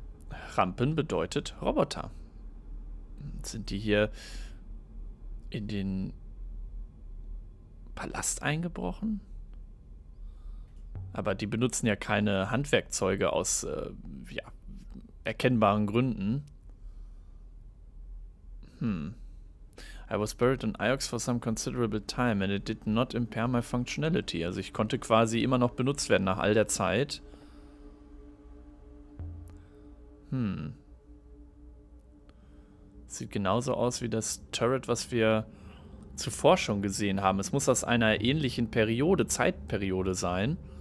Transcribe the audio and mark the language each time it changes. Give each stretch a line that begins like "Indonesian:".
German: Rampen bedeutet Roboter. Sind die hier in den Palast eingebrochen? Aber die benutzen ja keine Handwerkzeuge aus erkennbaren Gründen.
English: I was buried in Iox for some considerable time and it did not impair my functionality.
German: Also ich konnte quasi immer noch benutzt werden nach all der Zeit. Sieht genauso aus wie das Turret, was wir zuvor schon gesehen haben. Es muss aus einer ähnlichen Periode, Zeitperiode sein.